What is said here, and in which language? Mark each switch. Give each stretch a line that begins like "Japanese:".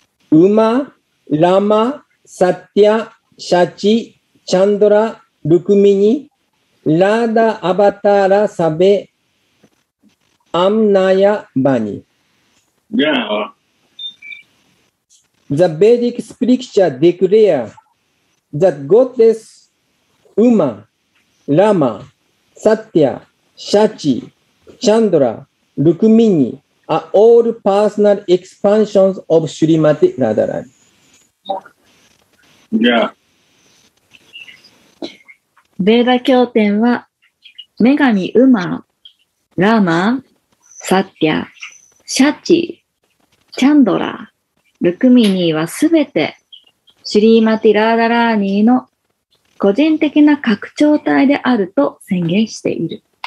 Bangla: 馬、ラマ、サティア、シャチ、チャンドラ、ルクミニ、ラーダ、アバタラ、サベ、アムナヤ、バニ。
English: Yeah. The Vedic scripture declare that goddess Uma, Rama, Satya, Shachi, Chandra, Rukmini are all personal expansions of Srimati Radharani. Yeah.
Japanese: ベーダ経典は女神ウマ、ラーマ、サッティア、シャチ、チャンドラ、ルクミニーはすべてシリーマティラーダラーニーの個人的な拡張体であると宣言している。